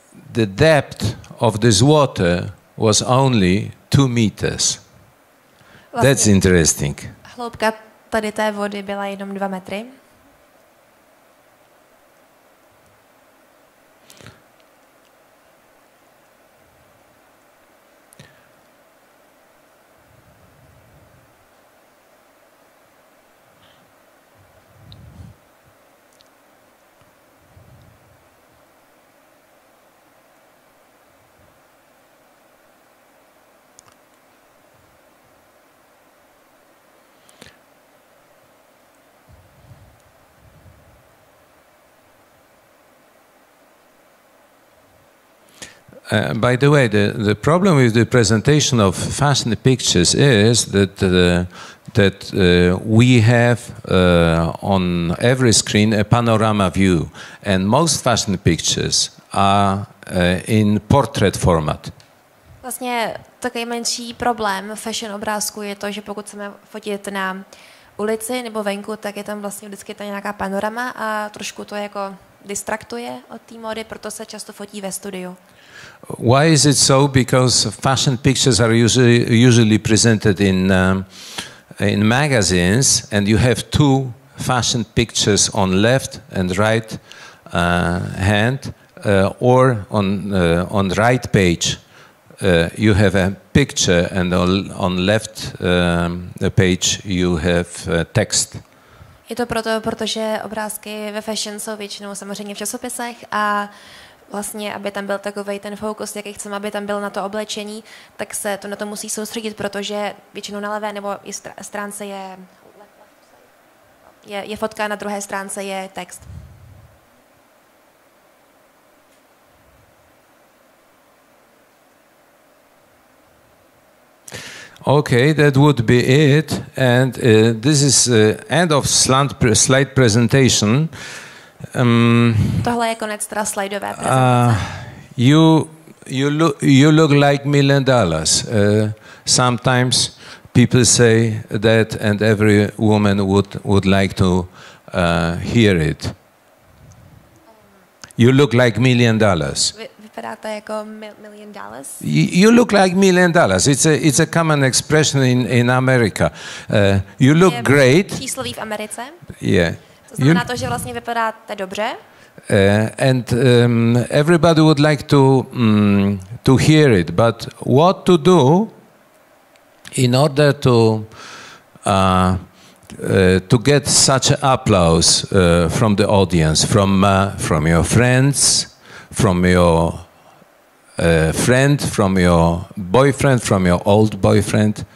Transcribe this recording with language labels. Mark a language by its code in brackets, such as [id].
[en] The depth of this water was only 2 meters. [cs] Vlastně. [en] That's interesting. [cs] Hloubka tady té vody byla jenom 2 metry. [en] By the way, the problem with the presentation of fashion pictures is that we have on every screen a panorama view, and most fashion pictures are in portrait format. [cs] Vlastně takový menší problém fashion obrázku je to, že pokud chceme fotit na ulici nebo venku, tak je tam vlastně vždycky ta nějaká panorama a trošku to jako distraktuje od té mody, proto se často fotí ve studiu. [en] Why is it so? Because fashion pictures are usually presented in magazines, and you have 2 fashion pictures on left and right hand, or on right page, you have a picture, and on left page you have text. [cs] Je to proto, protože obrázky ve fashion jsou většinou samozřejmě v časopisech a vlastně, aby tam byl takovej ten fokus, jaký chceme, aby tam byl na to oblečení, tak se to na to musí soustředit, protože většinou na levé nebo i stránce je fotka, na druhé stránce je text. [en] Okay, that would be it. And this is end of slide presentation. [cs] Tohle je konec teda slajdové prezentace. [en] You look like $1 million. Sometimes people say that, and every woman would like to hear it. You look like $1 million. [cs] Vypadáte jako $1 million. [en] You look like $1 million. It's a common expression in America. You look great. [cs] Přísloví v Americe. [en] Yeah. [cs] To znamená to, že vlastně vypadáte dobře. [en] And everybody would like to hear it, but what to do in order to get such applause from the audience, from your friends, from your friend, from your boyfriend, from your old boyfriend.